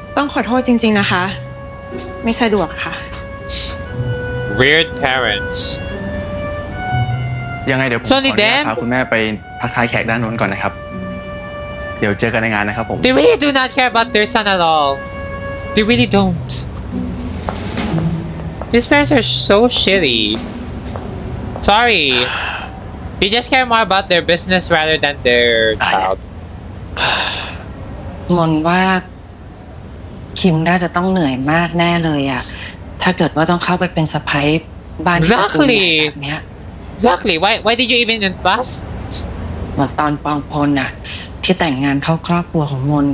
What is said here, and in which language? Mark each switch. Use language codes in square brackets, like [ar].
[th] ต้องขอโทษจริงๆนะคะไม่สะดวกค่ะ [en] Weird parents. [th] ยังไงเดี๋ยวผมขออนุญาตพาคุณแม่ไปพักทายแขกด้านนู้นก่อนนะครับเดี๋ยวเจอกันในงานนะครับผม [en] They really do not care about their son at all. They really don't. His parents are so shitty. Sorry. They just care more about their business rather than their child. [th] มนว่าคิมน่าจะต้องเหนื่อยมากแน่เลยอ่ะถ้าเกิดว่าต้องเข้าไปเป็นสะพ้ายบ้านที่ตระกูลใหญ่แบบเนี้ย [en] Exactly. Why did you even invest? [th] เมื่อตอนปองพลน่ะที่แต่งงานเข้าครอบครัวของมน